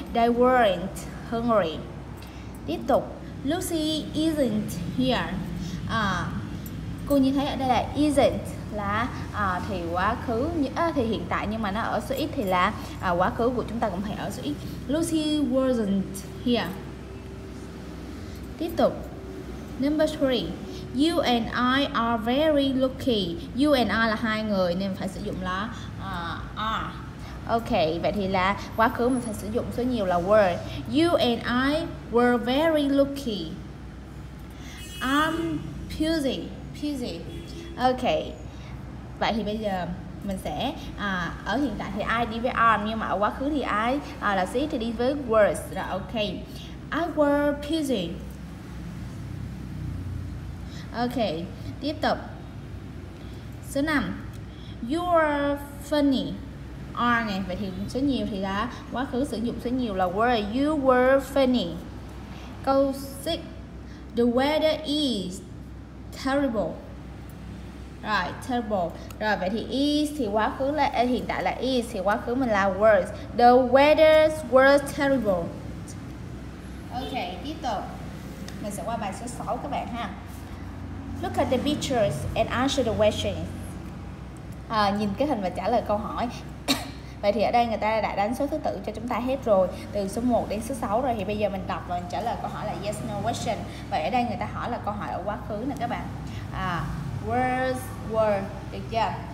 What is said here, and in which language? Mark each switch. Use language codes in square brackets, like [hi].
[en] They weren't hungry. [vi] Tiếp tục, [en] Lucy isn't here. [vi] Cô nhìn thấy ở đây là isn't là thì quá khứ thì hiện tại nhưng mà nó ở số ít thì là quá khứ của chúng ta cũng phải ở số ít. [en] Lucy wasn't here. [vi] Tiếp tục, [en] number 3, you and I are very lucky. [vi] You and I là hai người nên phải sử dụng là are. Ok, vậy thì là quá khứ mình phải sử dụng số nhiều là were. [en] You and I were very lucky. I'm busy. [vi] Ok, vậy thì bây giờ mình sẽ ở hiện tại thì I đi với am nhưng mà ở quá khứ thì I là sẽ thì đi với was. [en] Rồi ok, I were busy. [vi] Ok, tiếp tục, số 5, [en] you are funny. [vi] Are này, vậy thì số nhiều thì là quá khứ sử dụng số nhiều là were. [en] You were funny. [vi] Câu 6, [en] the weather is terrible. Right, terrible. [vi] Rồi vậy thì is thì quá khứ là hiện tại là is thì quá khứ mình là was. [en] The weather was terrible. Ok, [vi] tiếp tục. Mình sẽ qua bài số 6 các bạn ha. [en] Look at the pictures and answer the questions. [vi] Nhìn cái hình và trả lời câu hỏi. Vậy thì ở đây người ta đã đánh số thứ tự cho chúng ta hết rồi, từ số 1 đến số 6 rồi, thì bây giờ mình đọc và mình trả lời câu hỏi là yes no question. Vậy ở đây người ta hỏi là câu hỏi ở quá khứ nè các bạn. Words were, được chưa?